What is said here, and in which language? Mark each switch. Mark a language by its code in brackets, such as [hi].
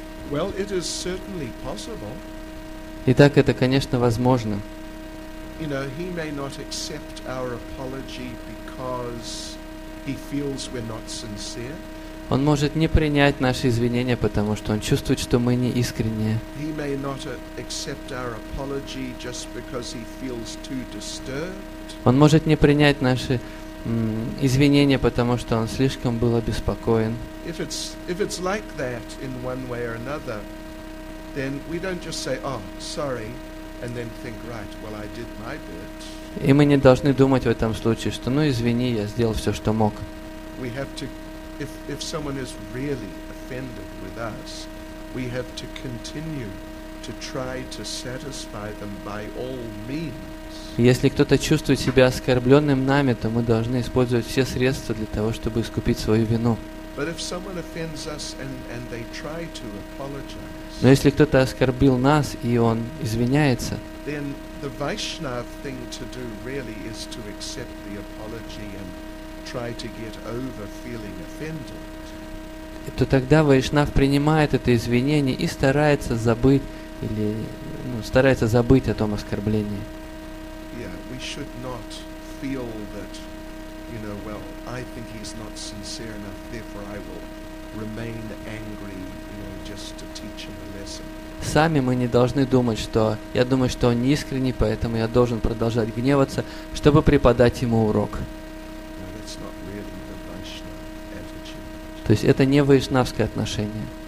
[en] Well, it is certainly possible. [ru] Итак, это конечно возможно. [en] you know, he may not accept our apology because he feels we're not sincere. [ru] Он может не принять наши извинения, потому что он чувствует, что мы не искренние. [en] He may not accept our apology just because he feels too disturbed. [ru] Он может не принять наши извинения, потому что он слишком был обеспокоен. [en] If it's like that in one way or another, then we don't just say, "Oh, sorry," and then think, "Right, well, I did my bit." [ru] И мы не должны думать в этом случае, что, ну, извини, я сделал все, что мог. [en] We have to, if someone is really offended with us, we have to continue to try to satisfy them by all means. [ru] Если кто-то чувствует себя оскорбленным нами, то мы должны использовать все средства для того, чтобы искупить свою вину. [en] But if someone offends us and they try to apologize, [ru] но если кто-то оскорбил нас, и он извиняется, [en] then the Vaishnav thing to do really is to accept the apology and try to get over feeling offended. [ru] То тогда Вайшнав принимает это извинение и старается забыть, или, ну, старается забыть о том оскорблении. [en] Yeah, we should not feel that, you know, well, I think he's not sincere enough, therefore I will remain angry, you know, just to teach him a lesson. [ru] Сами мы не должны думать, что я думаю, что он не искренний, поэтому я должен продолжать гневаться, чтобы преподать ему урок. [en] No, that's not really the Vaishnava attitude. [ru] То есть это не вайшнавское отношение.